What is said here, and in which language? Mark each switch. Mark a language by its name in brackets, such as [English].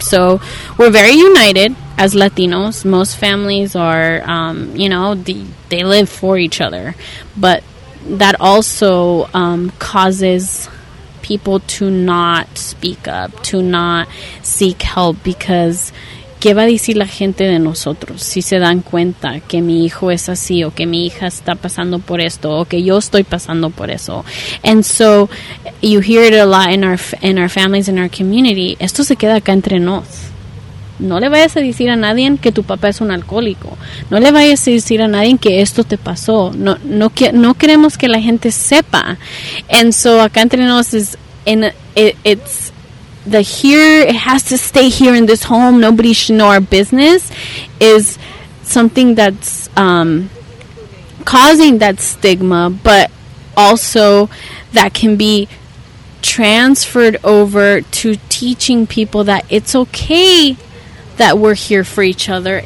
[English] So we're very united as Latinos. Most families are they live for each other, but that also causes people to not speak up, to not seek help, because [Spanish] ¿qué va a decir la gente de nosotros si se dan cuenta que mi hijo es así, o que mi hija está pasando por esto, o que yo estoy pasando por eso? [English] And so you hear it a lot in our families, in our community. [Spanish] Esto se queda acá entre nos. No le vayas a decir a nadie que tu papá es un alcohólico. No le vayas a decir a nadie que esto te pasó. No queremos que la gente sepa. [English] And so [Spanish] acá entre nos [English] is it has to stay here in this home. Nobody should know our business is something that's causing that stigma, but also that can be transferred over to teaching people that it's okay that we're here for each other.